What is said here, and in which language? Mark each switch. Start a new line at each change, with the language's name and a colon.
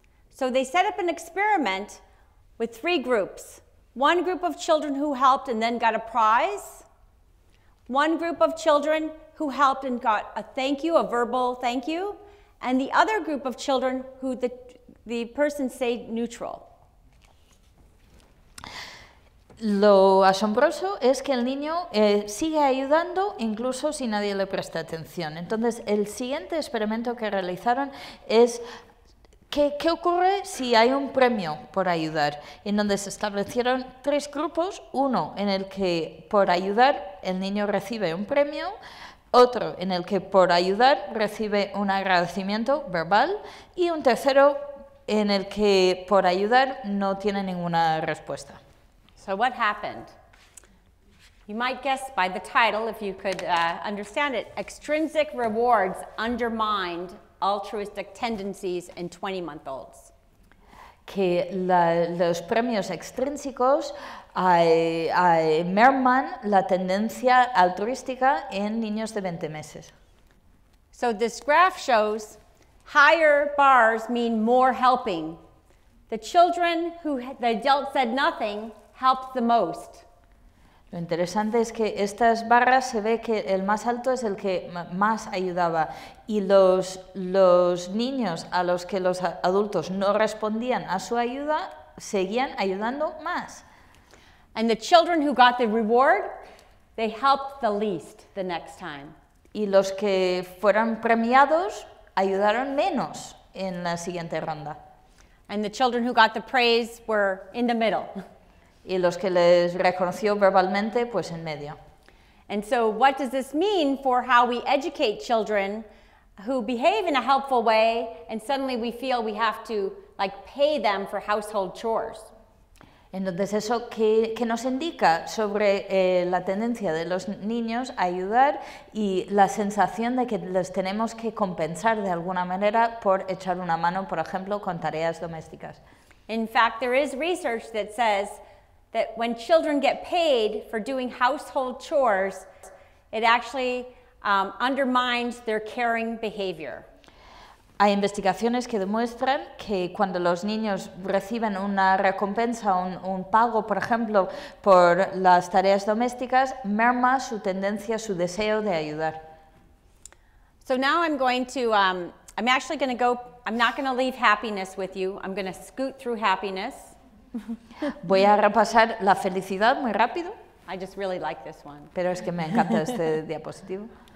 English: So they set up an experiment with three groups. One group of children who helped and then got a prize. One group of children who helped and got a thank you, a verbal thank you. And the other group of children who the person stayed neutral.
Spanish: Lo asombroso es que el niño sigue ayudando incluso si nadie le presta atención. Entonces, el siguiente experimento que realizaron es ¿qué ocurre si hay un premio por ayudar? En donde se establecieron tres grupos, uno en el que por ayudar el niño recibe un premio, otro en el que por ayudar recibe un agradecimiento verbal y un tercero en el que por ayudar no tiene ninguna respuesta.
English: So what happened? You might guess by the title, if you could understand it, extrinsic rewards undermined altruistic tendencies in 20-month-olds.
Spanish: Que los premios extrínsecos merman la tendencia altruística en niños de 20 meses.
English: So this graph shows higher bars mean more helping. The children who the adult said nothing helped the most.
Spanish: Lo interesante es que estas barras se ve que el más alto es el que más ayudaba y los niños a los que los adultos no respondían a su ayuda seguían ayudando más.
English: And the children who got the reward, they helped the least the next time.
Spanish: Y los que fueron premiados ayudaron menos en la siguiente ronda.
English: And the children who got the praise were in the middle.
Spanish: Y los que les reconoció verbalmente, pues en medio.
English: And so what does this mean for how we educate children who behave in a helpful way and suddenly we feel we have to like pay them for household chores?
Spanish: Entonces, ¿eso qué nos indica sobre la tendencia de los niños a ayudar y la sensación de que les tenemos que compensar de alguna manera por echar una mano, por ejemplo, con tareas domésticas?
English: In fact, there is research that says that when children get paid for doing household chores, it actually undermines their caring behavior.
Spanish: Hay investigaciones que demuestran que cuando los niños reciben una recompensa, un pago, por ejemplo, por las tareas domésticas, merma su tendencia, su deseo de ayudar.
English: So now I'm going to, I'm not going to leave happiness with you. I'm going to scoot through happiness.
Spanish: Voy a repasar la felicidad muy rápido.
English: I just really like this one.
Spanish: Pero es que me encanta este diapositivo.